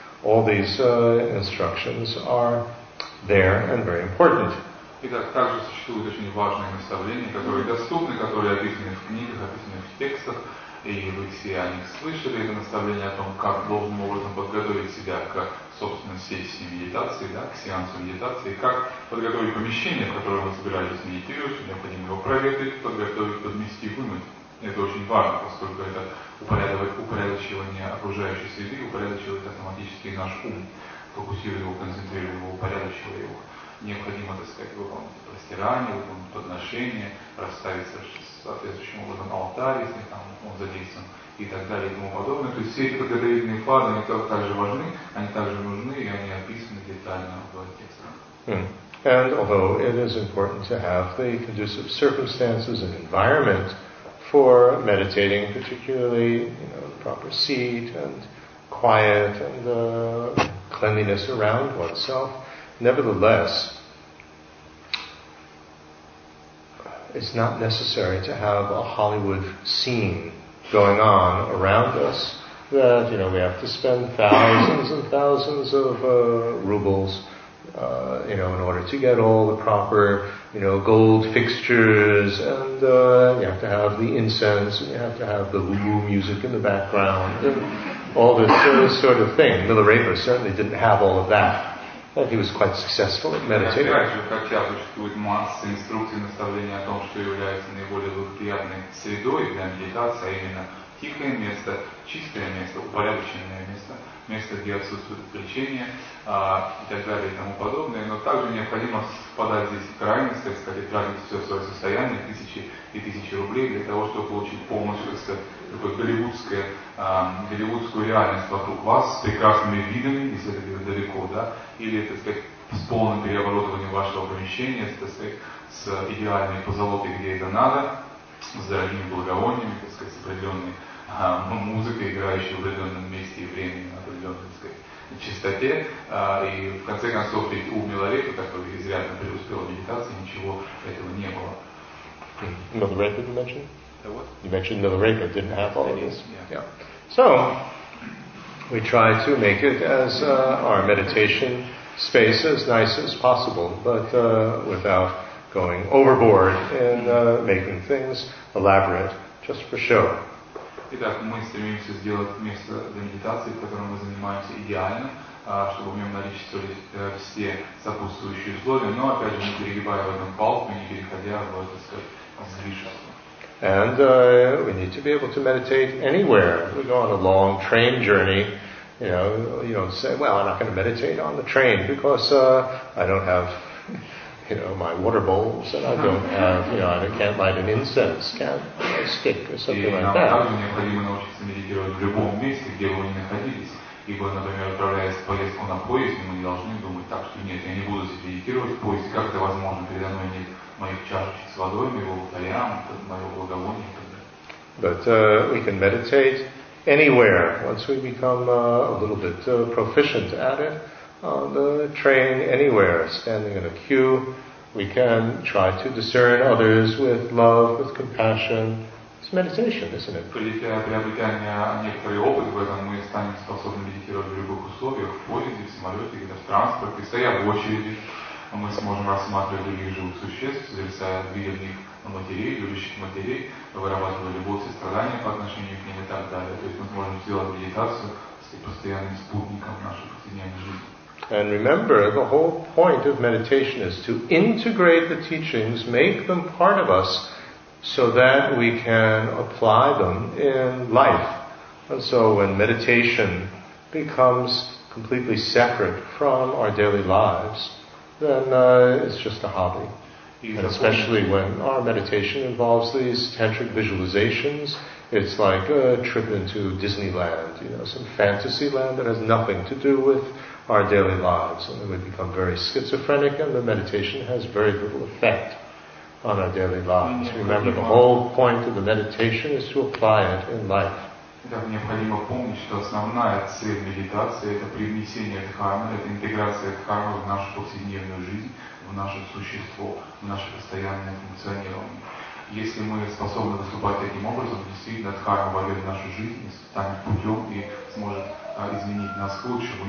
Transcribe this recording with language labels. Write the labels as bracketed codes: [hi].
[en] All these instructions are there and very important. [ru] Итак, также существуют очень важные наставления, которые доступны, которые описаны в книгах, описаны в текстах, и вы все о них слышали, это наставление о том, как должным образом подготовить себя к собственной сессии медитации, да, к сеансу медитации, как подготовить помещение, в котором вы собираетесь медитировать, необходимо его проветрить, подготовить, подмести, вымыть. Это очень важно, поскольку это упорядочивание окружающей среды, упорядочивает автоматически наш ум, фокусируя его, концентрируя его, упорядочивая его. Необходимо, так сказать, выполнить простирание, выполнить подношение, расставить соответствующим образом алтарь, если там он задействован, и так далее, и тому подобное. То есть все эти подготовительные фазы, они также важны, они также нужны, и они описаны детально в текстах. Hmm. [en] And although it is important to have the conducive circumstances and environment for meditating, particularly, you know, proper seat and quiet and cleanliness around oneself, nevertheless, it's not necessary to have a Hollywood scene going on around us that, you know, we have to spend thousands and thousands of rubles, you know, in order to get all the proper, you know, gold fixtures, and you have to have the incense, and you have to have the woo-woo music in the background, and all this sort of thing. Miller Raper certainly didn't have all of that. That he was quite successful at meditating. [ru] Опять же, хотя существует масса инструкций и наставлений о том, что является наиболее благоприятной средой для медитации, а именно тихое место, чистое место, упорядоченное место, место, где отсутствует отвлечение и так далее и тому подобное, но также необходимо впадать здесь в крайность, так сказать, тратить все свое состояние, тысячи и тысячи рублей, для того, чтобы получить полностью, так сказать, такую голливудскую реальность вокруг вас с прекрасными видами, если это где-то далеко, да, или, так сказать, с полным переоборудованием вашего помещения, так сказать, с идеальной позолотой, где это надо, с дорогими благовониями, так сказать, с определенной музыкой, играющей в определенном месте и времени, на определенной, так сказать, чистоте. И в конце концов, ведь у Милорета, который изрядно преуспел в медитации, ничего этого не было. [en] Милорета, you mentioned? What? You mentioned Milorata didn't have all of this. Yeah. So, we try to make it as our meditation space as nice as possible, but without going overboard in making things elaborate just for show. [ru] Итак, мы стремимся сделать место для медитации, в котором мы занимаемся, идеально, чтобы в нем наличествовали все сопутствующие условия, но опять же не перегибая в этом палку, не переходя в это излишество. [en] And we need to be able to meditate anywhere. If we go on a long train journey, you know, you don't say, well, I'm not going to meditate on the train because I don't have, you know, my water bowls, and I don't have, you know, I can't light an incense, can't light a stick or something like that. [ru] И нам также необходимо научиться медитировать в любом месте, где вы не находились. Ибо, например, отправляясь в поездку на поезд, мы не должны думать так, что нет, я не буду здесь медитировать в поезде, как это возможно, передо мной нет моих чашечек с водой, моего алтаря, моего благовония. [en] But we can meditate anywhere once we become a little bit proficient at it. On the train, anywhere, standing in a queue, we can try to discern others with love, with compassion. It's meditation, isn't it? [ru] Полетя, приобретая некоторый опыт в этом, мы станем способны медитировать в любых условиях, в поезде, в самолете, где-то в транспорте, стоя в очереди, мы сможем рассматривать других живых существ, зависая от вида в них матерей, любящих матерей, вырабатывая любовь, сострадание по отношению к ним и так далее. То есть мы сможем сделать медитацию с постоянным спутником нашей повседневной жизни. [en] And remember, the whole point of meditation is to integrate the teachings, make them part of us, so that we can apply them in life. And so when meditation becomes completely separate from our daily lives, then it's just a hobby. And especially when our meditation involves these tantric visualizations, it's like a trip into Disneyland, you know, some fantasy land that has nothing to do with our daily lives, and we become very schizophrenic, and the meditation has very little effect on our daily lives. Remember, the whole point of the meditation is to apply it in life. [ru] Итак, необходимо помнить, что основная цель медитации – это привнесение дхармы, это интеграция дхармы в нашу повседневную жизнь, в наше существо, в наше постоянное функционирование. Если мы способны выступать таким образом, действительно, дхарма войдет в нашу жизнь, станет путем и сможет изменить нас к лучшему.